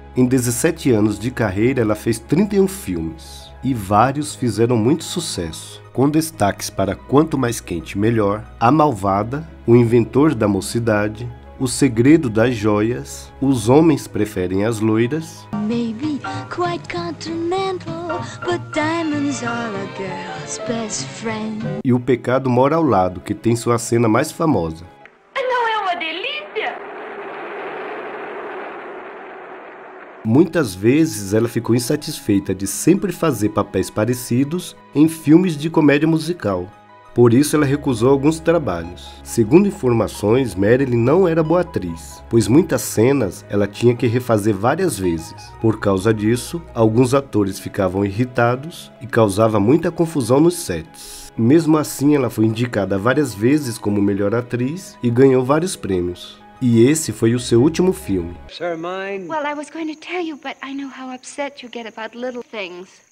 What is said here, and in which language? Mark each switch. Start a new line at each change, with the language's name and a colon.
Portuguese: Em 17 anos de carreira, ela fez 31 filmes, e vários fizeram muito sucesso, com destaques para Quanto Mais Quente Melhor, A Malvada, O Inventor da Mocidade, O Segredo das Joias, Os Homens Preferem as Loiras.
English: Maybe quite continental, but diamonds are a girl's best friend.
Portuguese: E O Pecado Mora ao Lado, que tem sua cena mais famosa. Não é uma delícia? Muitas vezes ela ficou insatisfeita de sempre fazer papéis parecidos em filmes de comédia musical. Por isso, ela recusou alguns trabalhos. Segundo informações, Marilyn não era boa atriz, pois muitas cenas ela tinha que refazer várias vezes. Por causa disso, alguns atores ficavam irritados e causava muita confusão nos sets. Mesmo assim, ela foi indicada várias vezes como melhor atriz e ganhou vários prêmios. E esse foi o seu último filme.
English: Sir, mine. Well, I was going to tell you, but I know how upset you get about little things.